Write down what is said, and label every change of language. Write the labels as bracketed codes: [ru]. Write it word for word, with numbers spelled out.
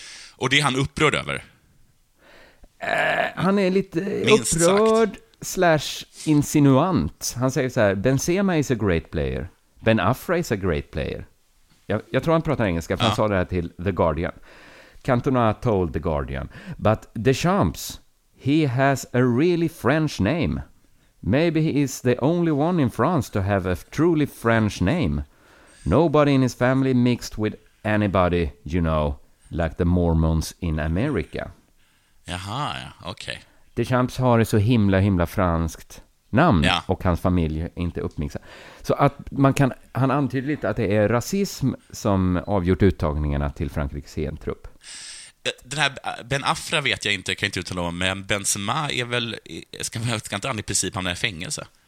[sv] Och det är han upprörd över? Han är lite Minst upprörd sagt. Slash insinuant. Han säger så här: [en] Benzema is a great player, Ben Afra is a great player. [sv] Jag, jag tror han pratar engelska, för han ja. sa det här till The Guardian. [en] Cantona told The Guardian, but Deschamps, he has a really French name. Maybe he is the only one in France to have a truly French name. Nobody in his family mixed with anybody, you know, like the Mormons in America. [sv] Jaha, ja, okej okay. Deschamps har ett så himla, himla franskt namn ja. och hans familj är inte uppmixad. Så att man kan, han antyder lite att det är rasism som avgjort uttagningarna till Frankrikes E M-trupp. Den här Ben Afra vet jag inte, kan jag inte uttala om, men Benzema är väl, ska, ska inte han i princip hamna i fängelse?